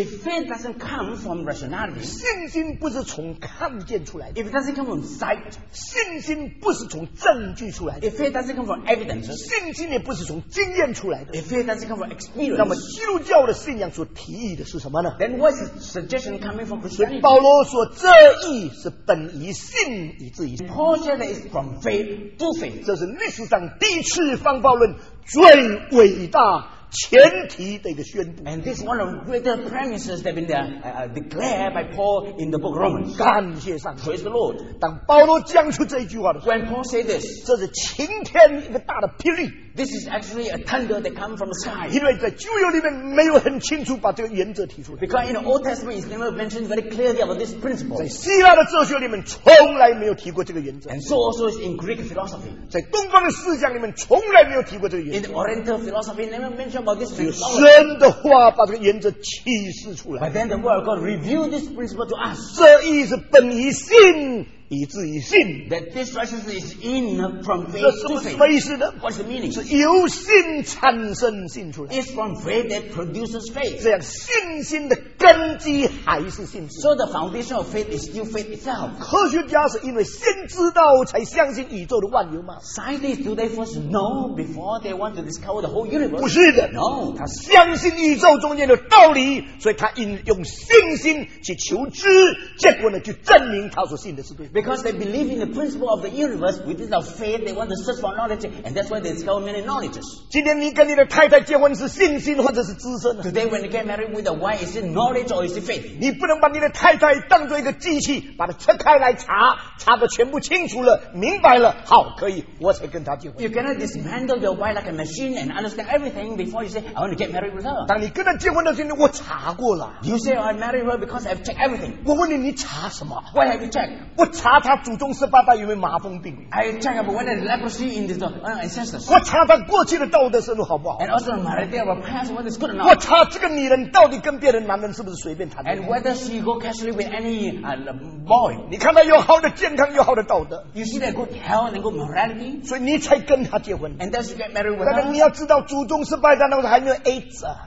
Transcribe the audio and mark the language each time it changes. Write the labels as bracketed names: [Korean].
[English] ，If faith doesn't come from rationality, [Chinese] 信心不是从看见出来的 [English] ，If it doesn't come from sight, [Chinese] 信心不是从证据出来的 [English] ，If faith doesn't come from evidence, [Chinese] 信心也不是从经验出来的 [English] ，If faith doesn't come from experience, [Chinese] 那么基督教的信仰所提议的是什么呢？ [English] Then what is the suggestion coming from Christianity? [Chinese] 保罗说这义是本于信以至于信。 [English] Paul said that it's from faith to faith. [Chinese] 这是历史上第一次方法论最伟大前提的一个宣布。 [English] And this is one of the greater premises that been declared by Paul in the book of Romans. [Chinese] 感谢上帝。 [English] Praise the Lord. [Chinese] 当保罗讲出这一句话的时候 [English] When Paul said this, [Chinese] 这是晴天一个大的霹雳。 [English] This is actually a thunder that comes from the sky. [Chinese] 因为在旧约里面没有很清楚把这个原则提出来。 [English] Because in the Old Testament, it's never mentioned very clearly about this principle. [Chinese] 在希腊的哲学里面从来没有提过这个原则。 [English] And so also is in Greek philosophy. [Chinese] 在东方的思想里面从来没有提过这个原则。 [English] In the Oriental philosophy, never mentioned about this principle. [Chinese] 神的话把这个原则启示出来。 [English] But then the word of God revealed this principle to us. [Chinese] 这义是本于信。以至于信 [English] that this righteousness is in from faith to faith. [Chinese] 这是什么意思呢 [English] What's the meaning? [Chinese] 是由信产生信出来 [English] It's from faith that produces faith. [Chinese] 这样信心的根基还是信心 [English] So the foundation of faith is still faith itself. [Chinese] 科学家是因为先知道才相信宇宙的万有吗 [English] Scientists do they first know before they want to discover the whole universe? [Chinese] 不是的 [English] No. [Chinese] 他相信宇宙中间的道理所以他用信心去求知结果呢就证明他所信的是对 [English] Because they believe in the principle of the universe, within their faith, they want to search for knowledge, and that's why they discover many knowledges. [Chinese] 今天你跟你的太太结婚是信心或者是知识呢 [English] Today, when you get married with a wife, is it knowledge or is it faith? [Chinese] 你不能把你的太太当作一个机器，把它拆开来查，查得全部清楚了，明白了，好，可以，我才跟她结婚。 [English] You cannot dismantle your wife like a machine and understand everything before you say, I want to get married with her. [Chinese] 当你跟她结婚的时候，我查过了。 [English] You say, I married her because I've checked everything. [Chinese] 我问你，你查什么？ [English] What have you checked? [Chinese] 我查他祖宗十八代有没有麻风病 [English] I check about whether leprosy in this ancestors [Chinese] 我查他过去的道德生活好不好 [English] And also the morality of her past whether it's good or not [Chinese] 我查这个女人到底跟别的男人是不是随便谈 [English] And whether she go casually with any boy [Chinese] 你看她有好的健康有好的道德 [English] You see that good health and good morality [Chinese] 所以你才跟她结婚 [English] And thus you get married with her [Chinese] 但是你要知道祖宗十八代那时候还没有 AIDS